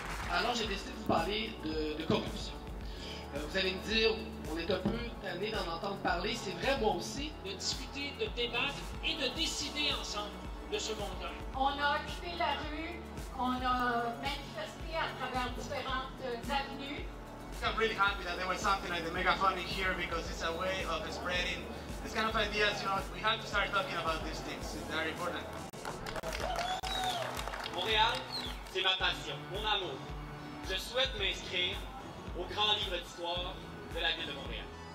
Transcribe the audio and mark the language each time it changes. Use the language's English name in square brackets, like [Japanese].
[French] Alors, j'ai décidé de vous parler de corruption. Vous allez me dire, on est un peu tanné d'en entendre parler, c'est vrai, moi aussi. De discuter, de débattre et de décider ensemble de ce monde-là. On a occupé la rue, on a manifesté à travers différentes avenues. [English] I'm really happy that there was something like the megaphone here because it's a way of spreading this kind of ideas. You know, we have to start talking about these things, they are important. [French] Montréal, c'est ma passion, mon amour. Je souhaite m'inscrire au grand livre d'histoire de la ville de Montréal.